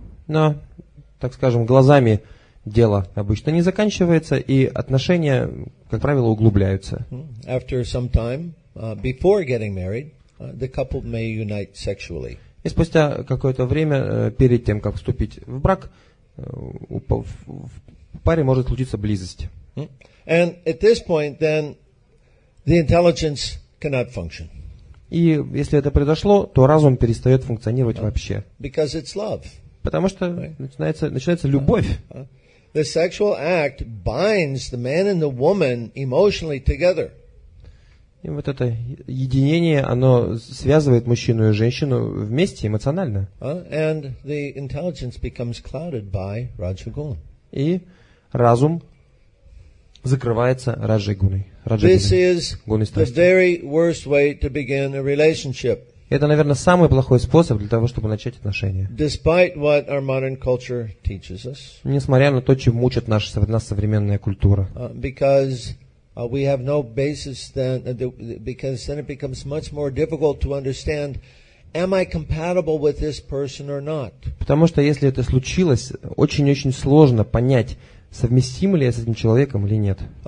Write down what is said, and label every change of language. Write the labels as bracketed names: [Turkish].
[Russian] Но, так скажем, глазами дело обычно не заканчивается, и отношения, как правило, углубляются. [English] After some time, before getting married, the couple may unite sexually. [Russian] И спустя какое-то время, перед тем, как вступить в брак, в паре может случиться близость. [English] And at this point, then, the intelligence cannot function. [Russian] И если это произошло, то разум перестает функционировать вообще. [English] Because it's love. [Russian] Потому что начинается любовь. [English] The sexual act binds the man and the woman emotionally together. [Russian] И вот это единение, оно связывает мужчину и женщину вместе эмоционально. [English] And the intelligence becomes clouded by Rajagun. [Russian] И разум закрывается Раджагуной. Это, наверное, самый плохой способ для того, чтобы начать отношения. [English] Despite what our modern culture teaches us, [Russian] несмотря на то, чем мучает наша современная культура. [English] We have no basis then, because then it becomes much more difficult to understand Am I compatible with this person or not? [Russian] Потому что если это случилось, очень-очень сложно понять, совместим ли я с этим человеком или нет.